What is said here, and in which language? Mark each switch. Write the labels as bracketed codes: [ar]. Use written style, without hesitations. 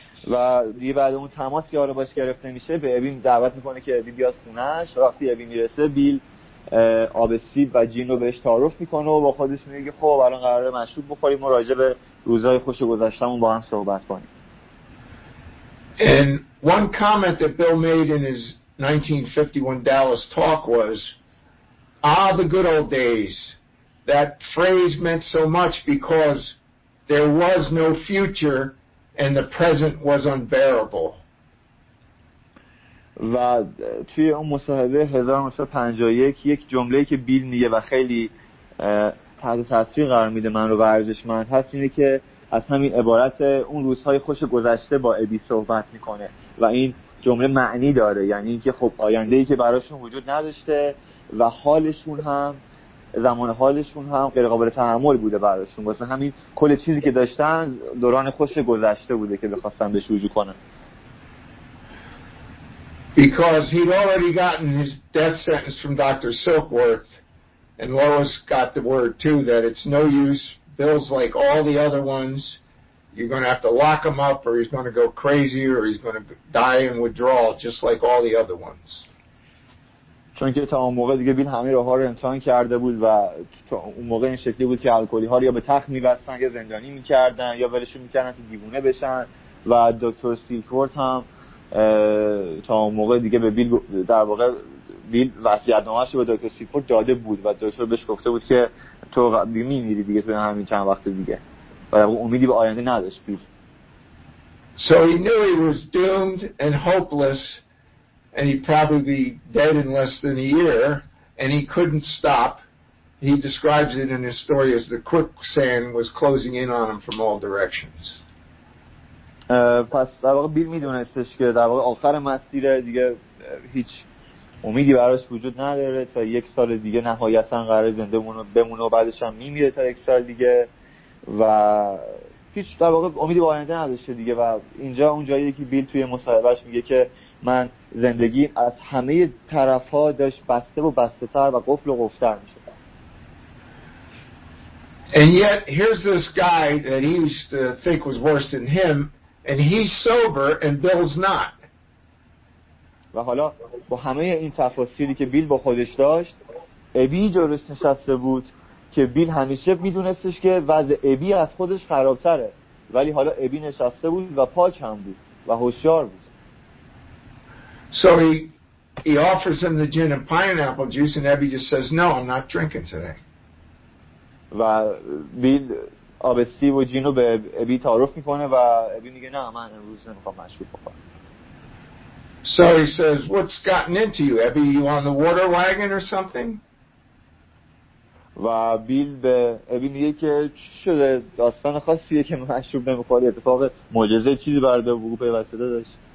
[fa] و دیگه بعد اون تماس یارو باش گرفته میشه، به ابی دعوت میکنه که ابی بیاد خونه‌اش. وقتی ابی میرسه، بیل آب سیب و جین رو بهش تعارف میکنه و با خودش میگه خب الان قراره مشروب بخوریم و راجع به روزهای خوش گذشتمون با هم صحبت کنیم. [en] And one comment that Bill made in his 1951 Dallas talk was, ah, the good old days, that phrase meant so much because there was no future and the present was unbearable. [fa] و توی اون مصاحبه 1951 یک جمله‌ای که بیل میگه و خیلی تحت تاثیر قرار میده من رو و ارزشمند هست اینه که از همین عبارت اون روزهای خوش گذشته با ابی صحبت میکنه و این جمله معنی داره، یعنی اینکه خب آینده‌ای که براشون وجود نداشته و حالشون هم زمان حالشون هم غیر قابل تحمل بوده براشون، واسه همین کل چیزی که داشتن دوران خوش گذشته بوده که بخواستن بهش رجوع کنن. [en] Because he'd already gotten his death sentence from Dr. Silkworth, and Lois got the word too that it's no use. Bill's like all the other ones. You're going to have to lock him up, or he's going to go crazy, or he's going to die in withdrawal, just like all the other ones. [fa] چون که تا اون موقع دیگه بیل همه راه‌ها رو امتحان کرده بود و تا اون موقع این شکلی بود که الکلی‌ها رو یا به تخت می‌بستن یا زندانی می‌کردن یا ولشون می‌کردن تو دیوونه بشن و دکتر سیلکورت هم تا اون موقع دیگه به بیل در واقع بیل وصیت‌نامه‌اش رو به دکتر سیلکورت داده بود و دکتر بهش گفته بود که تو می‌میری دیگه تو همین چند وقت دیگه و امیدی به آینده نداشت بیل. [en] So he knew he was doomed and hopeless. And he'd probably be dead in less than a year, and he couldn't stop. He describes it in his story as the quicksand was closing in on him from all directions. [fa] پس در واقع بیل میدونستش که در واقع آخر مسیره، دیگه هیچ امیدی براش وجود نداره، تا یک سال دیگه نهایتا قراره زنده بمونه و بعدش هم میمیره تا یک سال دیگه و هیچ در واقع امیدی به آینده نداشته دیگه. و اینجا اونجاییه که بیل توی مصاحبهش میگه که من زندگی از همه طرف ها داشت بسته و بسته تر و قفل و قفل‌تر میشد. [en] And yet here's this guy that he used to think was worse than him and he's sober and Bill's not. [fa] و حالا با همه این تفاصیلی که بیل با خودش داشت، ابی درست نشسته بود که بیل همیشه میدونستش که وضع ابی از خودش خرابتره، ولی حالا ابی نشسته بود و پاک هم بود و هوشیار بود. [en] So he offers him the gin and pineapple juice and Abby just says no, I'm not drinking today. [fa] و بیل آب سیب و جین رو به ابی تعارف میکنه و ابی میگه نه من امروز نمیخوام مشروب بخورم. [en] So he says what's gotten into you Abby, you on the water wagon or something? [fa] و بیل به ابی میگه که چی شده، داستان خاصیه که مشروب نمیخوری، اتفاق معجزه چیزی برده وقوع پیوسته داشت؟